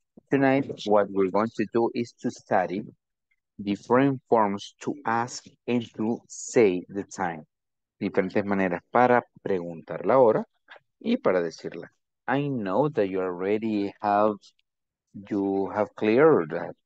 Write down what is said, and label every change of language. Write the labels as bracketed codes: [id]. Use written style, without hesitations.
[en] Tonight, what we're going to do is to study different forms to ask and to say the time. [es] Diferentes maneras para preguntar la hora y para decirla. [en] I know that you already have, you have clear that.